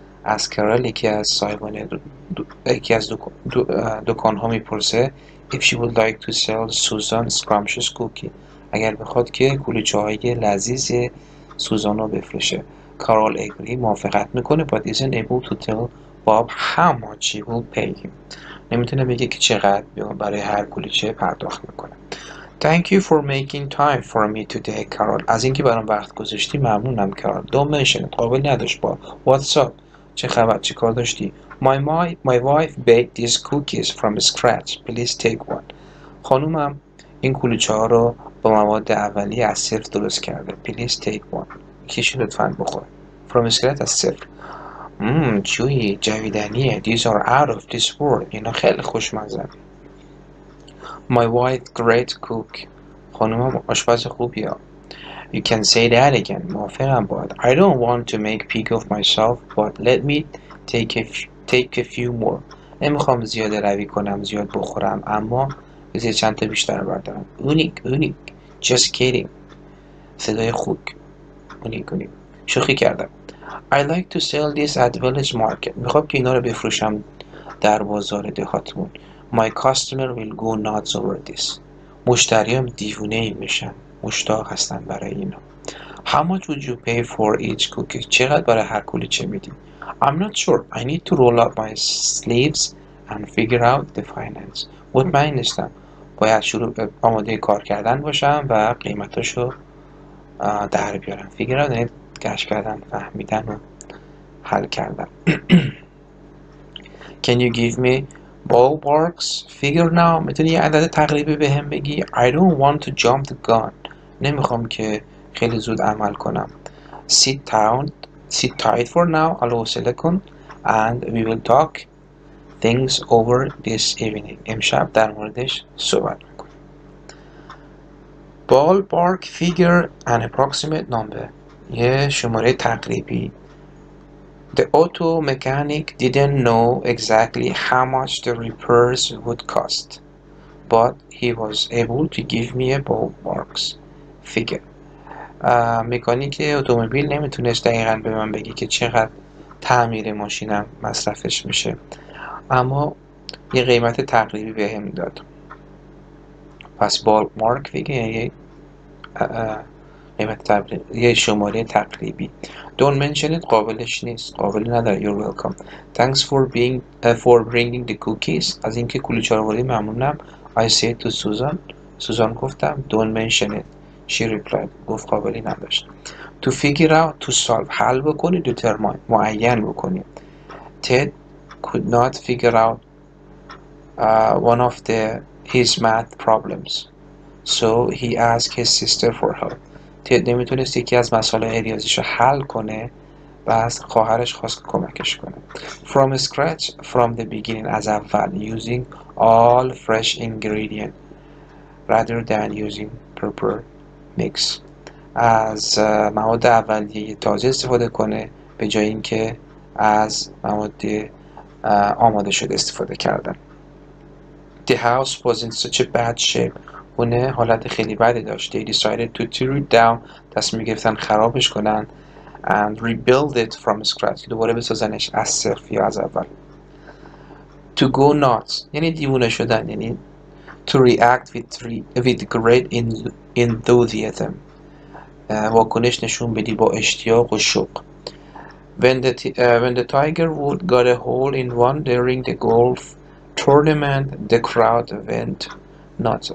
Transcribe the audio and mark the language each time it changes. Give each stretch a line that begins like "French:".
Persian: اس کارول یکی از صاحبان یکی از دکان ها میپرسه
English: if she would like to sell Susan scrumptious cookie.
Persian: اگر بخواد که کلوچه های لذیذ سوزان رو بفروشه. کارول اگری موافقت میکنه
English: but isn't able to tell Bob how much he will pay him.
Persian: نمیتونه بگه که چقدر برای هر کلوچه پرداخت میکنه.
English: Thank you for making time for me today, Carol.
Persian: از اینکه برام وقت گذاشتی ممنونم,
English: Carol. Don't mention it.
Persian: قابل نداشت,
English: Bob. What's up?
Persian: چه خبر, چه کار داشتی؟
English: My wife baked these cookies from scratch. Please take one.
Persian: خانومم این کلوچه ها رو با مواد اولیه از صفر درست کرده.
English: Please take one.
Persian: کیشو لطفا بخور.
English: From scratch
Persian: از صفر. چوی جویدنیه.
English: These are out of this world.
Persian: اینا خیلی خوشمزه.
English: My wife great cook.
Persian: خانومم آشپز خوبیه.
English: You can say that again.
Persian: موافقم باید.
English: I don't want to make pig of myself but let me take a few more.
Persian: نمیخوام زیاد روی کنم, زیاد بخورم, اما بذار چند تا بیشتر بردارم. اونیک
English: just kidding.
Persian: صدای خوک. اونیک شوخی کردم.
English: I like to sell this at village market.
Persian: میخوام که اینا رو بفروشم در بازار دهاتمون.
English: My customer will go nuts over this.
Persian: مشتریام دیوونه ای میشن, مشتاق هستن برای اینا.
English: How much would you pay for each cookie?
Persian: چقدر برای هر کلوچه میدی؟
English: I'm not sure. I need to roll up my sleeves and figure out the finance.
Persian: مطمئن نیستم. باید شروع به آماده کار کردن باشم و قیمتاشو در بیارم.
English: Figure out,
Persian: یعنی گشت کردن, فهمیدن و حل کردن.
English: Can you give me ballparks figure now?
Persian: میتونی یه عدد تقریبی به هم بگی؟
English: I don't want to jump the gun.
Persian: نمیخوام که خیلی زود عمل کنم.
English: Sit tight for now. الو سلکن. And we will talk things over this evening.
Persian: امشب در موردش صحبت میکنم.
English: Ballpark figure and approximate number.
Persian: یه شماره تقریبی.
English: The auto mechanic didn't know exactly how much the repairs would cost, but he was able to give me a ballpark figure.
Persian: مکانیک اتومبیل نمیتونست دقیقاً به من بگه که چقدر تعمیر ماشینم مصرفش میشه, اما یه قیمت تقریبی بهم داد. پس
English: ballpark figure
Persian: یعنی قیمت تقریبی, یه شماره تقریبی.
English: Don't mention it.
Persian: قابلش نیست. قابل نداره.
English: You're welcome. Thanks for being for bringing the cookies.
Persian: از اینکه کلوچه رو آوردی ممنونم.
English: I said to Susan.
Persian: سوزان گفتم.
English: Don't mention it. She replied.
Persian: گفت قابلی نداشت.
English: To figure out. To solve.
Persian: حل بکنی.
English: Determine.
Persian: معین بکنی.
English: Ted could not figure out one of his math problems. So he asked his sister for help.
Persian: تید نمیتونست یکی از مسئله ریاضیش رو حل کنه, بس خواهرش خواست کمکش کنه.
English: From scratch, from the beginning,
Persian: از اول,
English: using all fresh ingredients rather than using proper mix.
Persian: از مواد اولیه تازه استفاده کنه به جای اینکه از مواد آماده شده استفاده کردن.
English: The house was in such a bad shape.
Persian: اونه حالت خیلی بدی داشت.
English: They decided to tear it down.
Persian: تصمیم گرفتن خرابش کنن.
English: And rebuild it from scratch.
Persian: دوباره بسازنش از صفر یا از اول.
English: To go nuts.
Persian: یعنی دیوونه شدن. یعنی
English: to react with great enthusiasm.
Persian: واکنش نشون بدی با اشتیاق و شوق.
English: When the Tiger Woods got a hole in one during the golf tournament, the crowd went nuts.